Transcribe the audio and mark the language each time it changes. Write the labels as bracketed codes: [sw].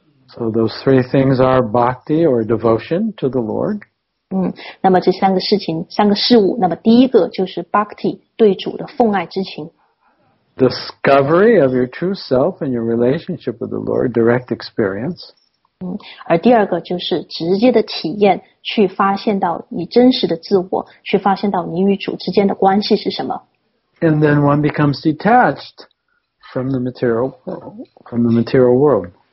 [en] So those three things are bhakti or devotion to the Lord. [zh] 那么这三个事情，三个事物，那么第一个就是 bhakti 对主的奉爱之情。 [en] Discovery of your true self and your relationship with the Lord, direct experience. [zh] 而第二个就是直接的体验，去发现到你真实的自我，去发现到你与主之间的关系是什么。 [en] And then one becomes detached from the material world.